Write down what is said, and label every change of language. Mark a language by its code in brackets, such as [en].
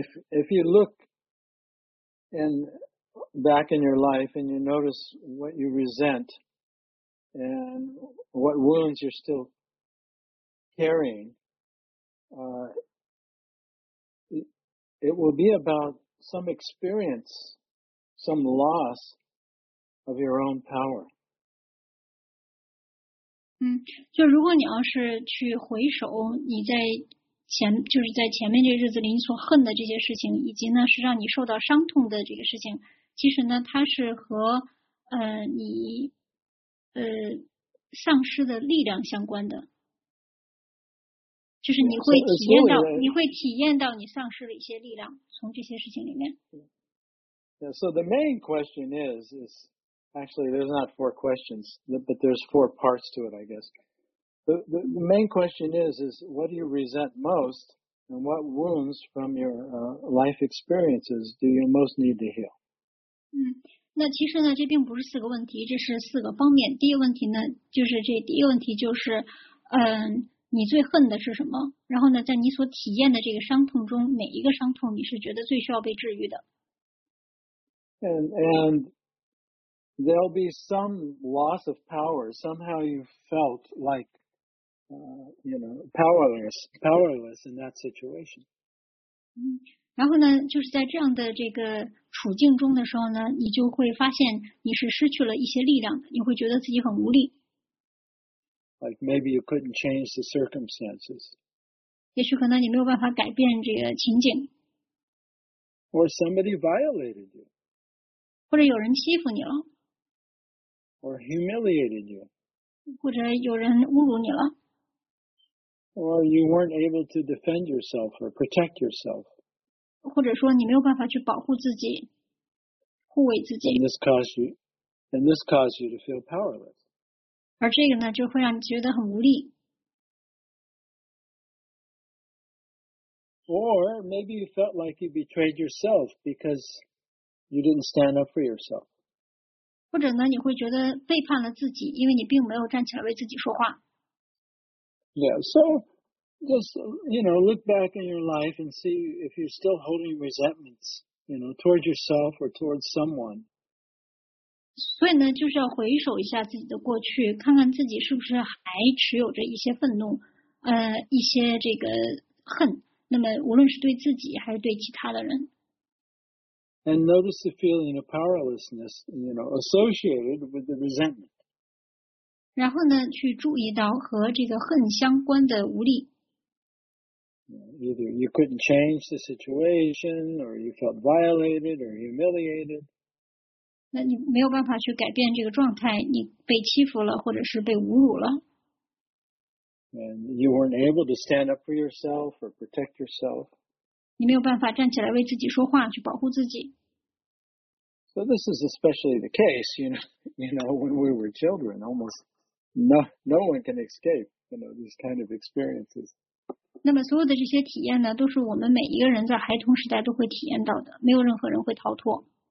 [en] If you look back in your life and you notice what you resent and what wounds you're still carrying, it will be about some experience, some loss of your own power. [zh] 就如果你要是去回首你在就是在前面这日子里你所恨的这些事情，以及呢是让你受到伤痛的这个事情，其实呢它是和你丧失的力量相关的，就是你会体验到 [en] so, [zh] 你会体验到你丧失了一些力量从这些事情里面。 [en] Yeah, so the main question is actually there's not four questions, but there's four parts to it, I guess. The main question is what do you resent most, and what wounds from your life experiences do you most need to heal? [zh] 那其实呢，这并不是四个问题，这是四个方面。第一个问题呢，就是这第一个问题就是，你最恨的是什么？然后呢，在你所体验的这个伤痛中，哪一个伤痛你是觉得最需要被治愈的 [en] ？And there'll be some loss of power. Somehow you felt like. Powerless in that situation. [zh] 然后呢，就是在这样的这个处境中的时候呢，你就会发现你是失去了一些力量，你会觉得自己很无力。 [en] Like maybe you couldn't change the circumstances. [zh] 也许可能你没有办法改变这个情景。 [en] Or somebody violated you. [zh] 或者有人欺负你了。 [en] Or humiliated you. [zh] 或者有人侮辱你了。 [en] Or you weren't able to defend yourself or protect yourself. [zh] 或者说你没有办法去保护自己，护卫自己。 [en] And this caused you to feel powerless. [zh] 而这个呢，就会让你觉得很无力。 [en] Or maybe you felt like you betrayed yourself because you didn't stand up for yourself. [zh] 或者呢，你会觉得背叛了自己，因为你并没有站起来为自己说话。 [en] Yeah, so just, you know, look back in your life and see if you're still holding resentments, you know, towards yourself or towards someone. [zh] 所以呢，就是要回首一下自己的过去，看看自己是不是还持有着一些愤怒，一些这个恨，那么无论是对自己还是对其他的人。 [en] And notice the feeling of powerlessness, you know, associated with the resentment. [zh] 然后呢，去注意到和这个恨相关的无力。 [en] Either you couldn't change the situation, or you felt violated or humiliated. [zh] 那你没有办法去改变这个状态，你被欺负了，或者是被侮辱了。 [en] And you weren't able to stand up for yourself or protect yourself. [zh] 你没有办法站起来为自己说话，去保护自己。 [en] So this is especially the case, you know, when we were children, almost. no one can escape, you know, these kind of experiences. [zh] 那么所有的这些体验呢，都是我们每一个人在孩童时代都会体验到的，没有任何人会逃脱。